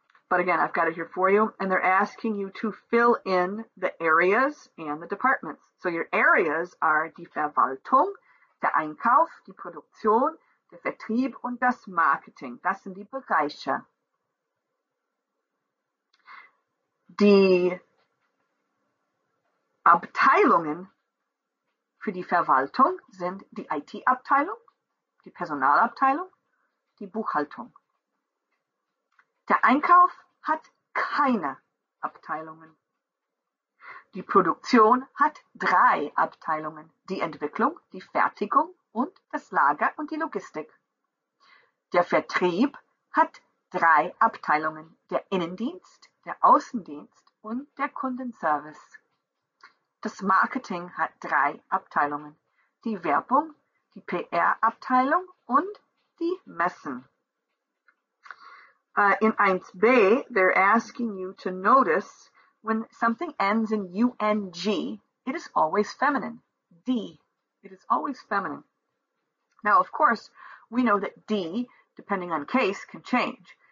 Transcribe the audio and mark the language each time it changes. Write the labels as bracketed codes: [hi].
[en] But again, I've got it here for you. And they're asking you to fill in the areas and the departments. So your areas are [de] die Verwaltung, der Einkauf, die Produktion, der Vertrieb und das Marketing. Das sind die Bereiche. Die Abteilungen für die Verwaltung sind die IT-Abteilung, die Personalabteilung, die Buchhaltung. Der Einkauf hat keine Abteilungen. Die Produktion hat drei Abteilungen, die Entwicklung, die Fertigung und das Lager und die Logistik. Der Vertrieb hat drei Abteilungen, der Innendienst, der Außendienst und der Kundenservice. Das Marketing hat drei Abteilungen, die Werbung, die PR-Abteilung und die Messen. [en] In 1b, they're asking you to notice when something ends in ung, it is always feminine. D, it is always feminine. Now, of course, we know that D, depending on case, can change.